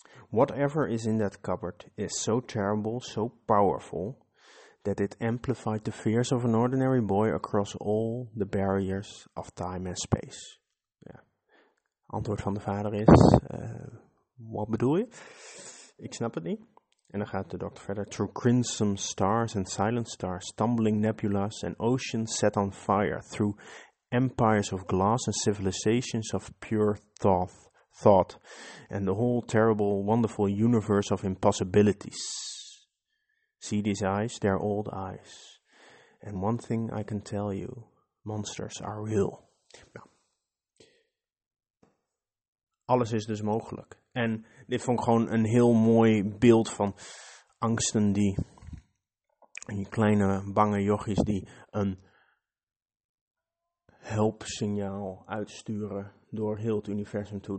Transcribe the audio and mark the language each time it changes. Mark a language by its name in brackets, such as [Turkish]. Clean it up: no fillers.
[English] Whatever is in that cupboard is so terrible, so powerful, that it amplified the fears of an ordinary boy across all the barriers of time and space. [Dutch] Ja. Antwoord van de vader is, wat bedoel je? Ik snap het niet. En dan gaat de dokter verder. [English] Through crimson stars and silent stars, stumbling nebulas and oceans set on fire, through empires of glass and civilizations of pure thought, and the whole terrible, wonderful universe of impossibilities. See these eyes? They're old eyes. And one thing I can tell you, monsters are real. [Dutch] Nou. Alles is dus mogelijk. En dit vond ik gewoon een heel mooi beeld van angsten die, die kleine bange jochies die een helpsignaal uitsturen door heel het universum toe.